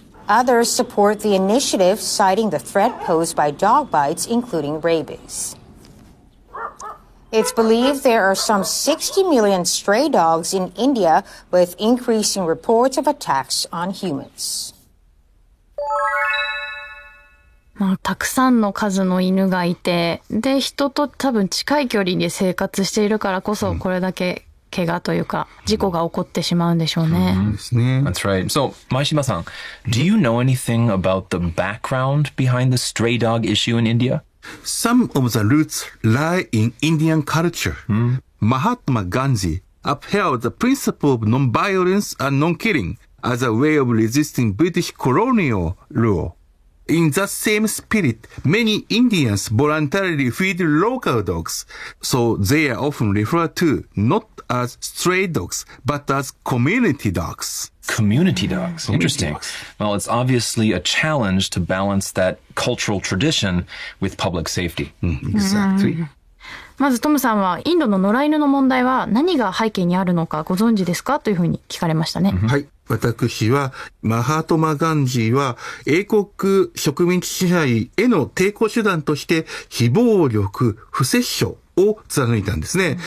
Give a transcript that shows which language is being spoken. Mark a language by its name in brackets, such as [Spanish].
[English] Others support the initiative, citing the threat posed by dog bites, including rabies. It's believed there are some 60 million stray dogs in India, with increasing reports of attacks on humans. [Japanese] まあ、たくさんの数の犬がいて、で、人と多分近い距離に生活しているからこそこれだけ、うん怪我というか事故が起こってしまうんでしょうね。 [English] That's right. So, Maeshima-san, do you know anything about the background behind the stray dog issue in India? Some of the roots lie in Indian culture. Mahatma Gandhi upheld the principle of non-violence and non-killing as a way of resisting British colonial rule. In that same spirit, many Indians voluntarily feed local dogs, so they are often referred to not as stray dogs, but as community dogs. Community dogs. Interesting. Well, it's obviously a challenge to balance that cultural tradition with public safety. Exactly. [Japanese] まずトムさんはインドの野良犬の問題は何が背景にあるのかご存知ですかというふうに聞かれましたね。はい。私は、マハトマ・ガンジーは、英国植民地支配への抵抗手段として、非暴力、不殺生を貫いたんですね。